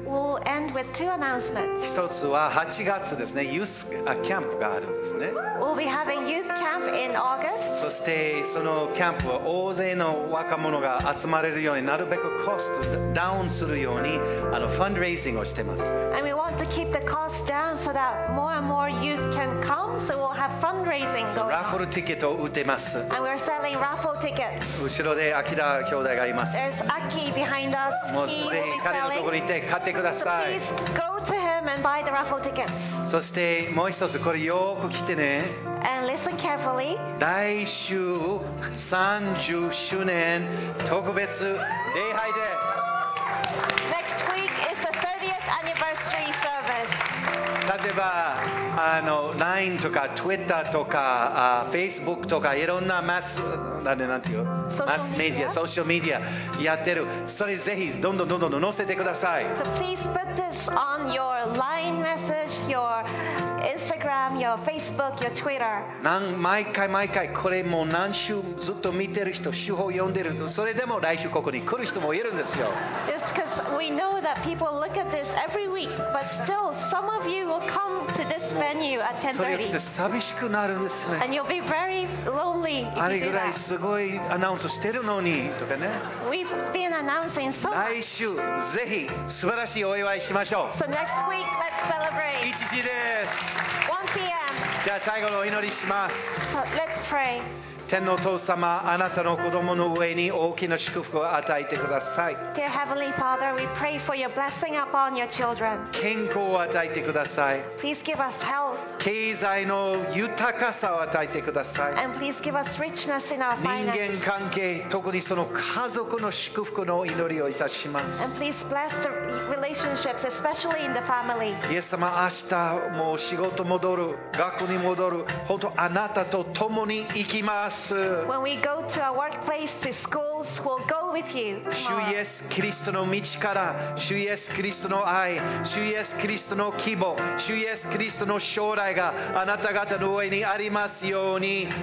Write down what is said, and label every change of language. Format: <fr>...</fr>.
<en>We'll end with two announcements.</en> <ja>1つは8月ですね、ユースキャンプがあるんですね。</ja> <en>We'll be having youth camp in August.</en> <ja>そしてそのキャンプは大勢の若者が集まれるように、なるべくコストダウンするようにファンドレイジングをしています。</ja> <en>And we want to keep the cost down so that more and more youth can come, so we'll have fundraising going on.</en> <ja>ラッフルティケットを売ってます。</ja> <en>And we're selling raffle tickets.</en> <ja>後ろでアキラ兄弟がいます。</ja> <en>There's Aki behind us.</en> <ja>もうすでに彼のところに行って買ってください。</ja> <en>So please go to him and buy the raffle tickets.</en> <ja>そしてもう一つ、これよく来てね。</ja> <en>And listen carefully.</en> <ja>来週30周年特別礼拝で。</ja> <en>Next week is the 30th anniversary service.</en> <ja>例えば LINE とか Twitter とか Facebook とかいろんなマス、なんていう？マスメディア、ソーシャルメディアやってる。それぜひどんどんどんどん載せてください。</ja> <en>So please put this on your LINE message, your Instagram, your Facebook, your Twitter.</en> <ja>毎回毎回これもう何週ずっと見てる人、手法読んでる人、それでも来週ここに来る人もいるんですよ。</ja> <en>It's because we know that people look at this every week, but still some of you will come to this venue at 10:30.</en> <ja>それで寂しくなるんですね。</ja> <en>And you'll be very lonely if you do that.</en> <ja>あれぐらいすごいアナウンスしてるのにとかね。</ja> <en>We've been announcing so much.</en> <ja>来週ぜひ素晴らしいお祝いしましょう。</ja> <en>So next week let's celebrate.</en> <ja>1時です。</ja> <en>1 p.m.</en> <ja>じゃあ最後のお祈りします。</ja> <en>So let's pray.</en> <ja>天のお父様、あなたの子供の上に大きな祝福を与えてください。</ja> <en>Dear Heavenly Father, we pray for your blessing upon your children.</en> <ja>健康を与えてください。</ja> <en>Please give us health.</en> <ja>経済の豊かさを与えてください。</ja> <en>And please give us richness in our finances.</en> <ja>人間関係、特にその家族の祝福の祈りをいたします。</ja> <en>And please bless the relationships, especially in the family.</en> <ja>イエス様、明日もう仕事戻る、学校に戻る、本当あなたと共に行きます。</ja> <en>When we go to our workplace, to schools, we'll go with you.</en> <ja>主イエスキリストの道から、主イエスキリストの愛、主イエスキリストの希望、主イエスキリストの将来があなた方の上にありますように。</ja>